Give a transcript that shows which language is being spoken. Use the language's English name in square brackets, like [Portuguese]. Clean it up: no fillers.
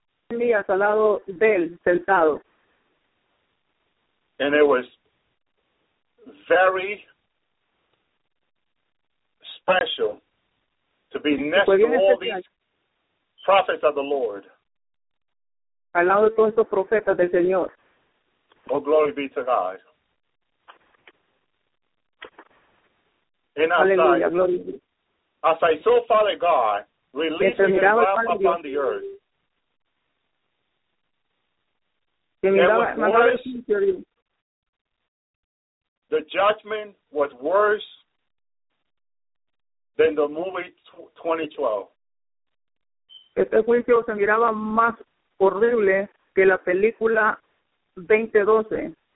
[Spanish] Jeremías al lado de él, sentado. [English] And it was very special to be next to all these prophets of the Lord. [Spanish] Al lado de todos estos profetas del Señor. [English] Oh, glory be to God. In our sight, as I saw Father God releasing His wrath upon [Spanish] Dios. [English] The earth, the judgment was worse than the movie 2012. [Spanish] Este juicio se miraba más horrible que la película 2012.